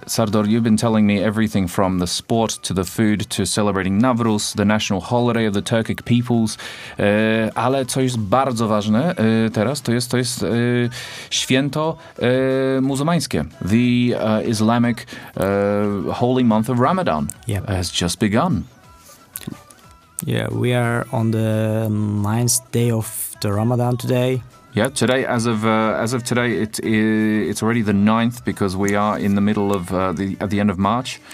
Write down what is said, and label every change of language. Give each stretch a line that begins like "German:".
English: Sardor, you've been telling me everything from the sport to the food to celebrating Navruz, the national holiday of the Turkic peoples.
Polish: Ale co jest bardzo ważne teraz, to jest święto muzułmańskie.
English: The Islamic holy month of Ramadan has just begun. Yeah, we are on the ninth day of the Ramadan today. Yeah, today, as of today, it's already the 9th because we are in the middle of the end of March.